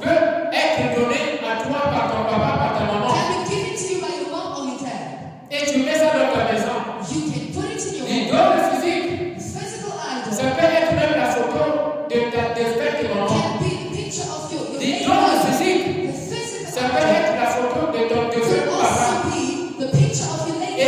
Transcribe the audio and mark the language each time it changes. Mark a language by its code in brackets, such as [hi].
[fr] peut être donné à toi par ton papa, par ta maman. [en] Can be given to you by your mom or your dad. [fr] Et tu mets ça dans ta maison. [en] You can put it in your. [fr] L'idole physique, [en] the physical idol, [fr] ça peut être même la photo de ta défunte maman. [en] Can be the picture of your. [fr] L'idole physique, [en] the physical, [fr] ça peut être la photo de ton défunt papa. [en] Can also be the picture of your late.